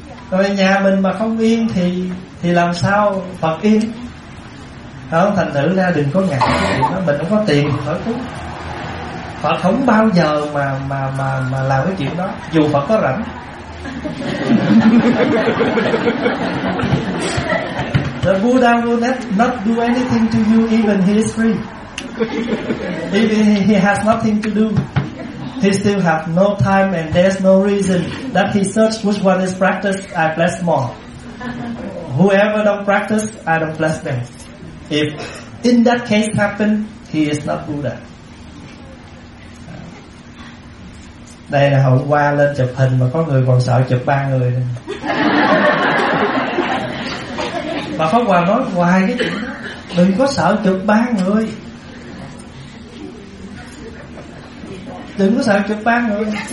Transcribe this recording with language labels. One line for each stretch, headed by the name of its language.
Vietnamese: Rồi nhà mình mà không yên thì làm sao Phật yên? Không, thành thử ra đừng có ngại, mình không có tiền khỏi cúng. Phật không bao giờ mà làm cái chuyện đó, dù Phật có rảnh.
English: The Buddha will not do anything to you even he is free. Even he has nothing to do, he still have no time and there's no reason that he search which one is practiced, I bless more. Whoever don't practice, I don't bless them. If in that case happen, he is not Buddha.
Vietnamese: Đây là hôm qua lên chụp hình mà có người còn sợ chụp ba người. Mà Pháp Hòa nói hoài cái chuyện đó, đừng có sợ chụp ba người, đừng có sợ chụp ba người.